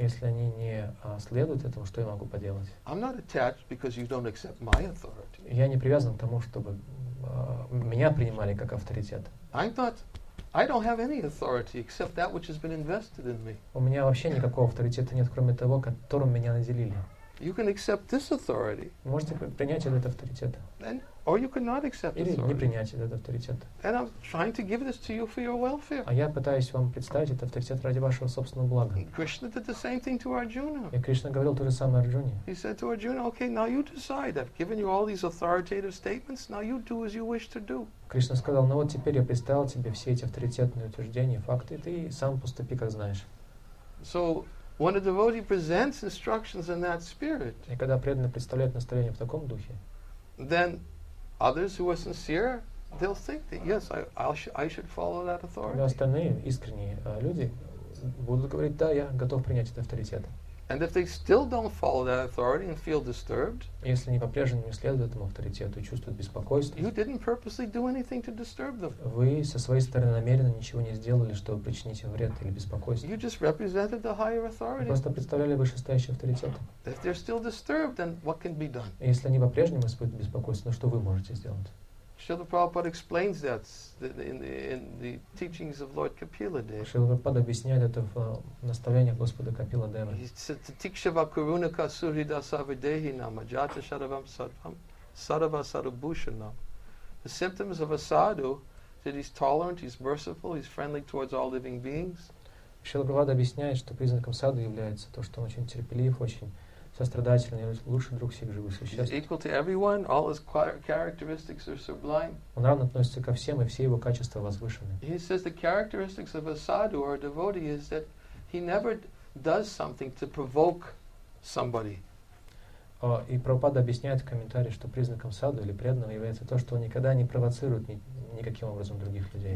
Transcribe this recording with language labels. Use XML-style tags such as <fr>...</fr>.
<ru>Если они не следуют этому, что я могу поделать?</ru> <en>I'm not attached because you don't accept my authority.</en> <ru>Я не привязан к тому, чтобы меня принимали как авторитет.</ru> <en>I don't have any authority except that which has been invested in me.</en> <ru>У меня вообще никакого авторитета нет, кроме того, которым меня наделили.</ru> <en>You can accept this authority.</en> <ru>Можете принять этот авторитет.</ru> <en>Then, or you cannot accept this authority.</en> <ru>Или не принять этот авторитет.</ru> <en>And I'm trying to give this to you for your welfare.</en> <ru>А я пытаюсь вам представить этот авторитет ради вашего собственного блага.</ru> <en>Krishna did the same thing to Arjuna.</en> <ru>И Кришна говорил то же самое Арджуне.</ru> <en>He said to Arjuna, okay, now you decide. I've given you all these authoritative statements. Now you do as you wish to do.</en> <ru>Кришна сказал, ну вот теперь я представил тебе все эти авторитетные утверждения, факты, и ты сам поступи, как знаешь.</ru> <en>So, when a devotee presents instructions in that spirit,</en> <ru>и когда преданный представляет наставление в таком духе,</ru> <en>then others who are sincere, they'll think that yes, I should follow that authority.</en> <ru>Остальные искренние люди будут говорить, да, я готов принять этот авторитет.</ru> <en>And if they still don't follow that authority and feel disturbed,</en> <ru>если они по-прежнему не следуют этому авторитету и чувствуют беспокойство,</ru> <en>you didn't purposely do anything to disturb them.</en> <ru>Вы со своей стороны намеренно ничего не сделали, чтобы причинить им вред или беспокойство.</ru> <en>You just represented the higher authority.</en> <ru>Вы просто представляли вышестоящий авторитет.</ru> <en>If they're still disturbed, then what can be done?</en> <ru>Если они по-прежнему испытывают беспокойство, ну что вы можете сделать?</ru> <en>Srila Prabhupada explains that in the teachings of Lord Kapila Deva.</en> <ru>Srila Prabhupada объясняет это в наставлениях Господа Капила Дева.</ru> <en>He said,</en> <sa>Tikshava Kurunaka Surida Savidehina Majata Sharavam Sarvam Sarava Sarubhushanam.</sa> <en>The symptoms of a sadhu that he's tolerant, he's merciful, he's friendly towards all living beings.</en> <ru>Шрила Прабхупада объясняет, что признаком садху является то, что он очень терпелив, очень сострадательный, лучший друг всех живых существ.</ru> <en>He's equal to everyone, all his characteristics are sublime.</en> <ru>Он равно относится ко всем, и все его качества возвышены.</ru> <en>He says the characteristics of a sadhu or a devotee is that he never does something to provoke somebody.</en> <ru>И Прабхупада объясняет в комментарии, что признаком садху или преданного является то, что он никогда не провоцирует никаким образом других людей.</ru>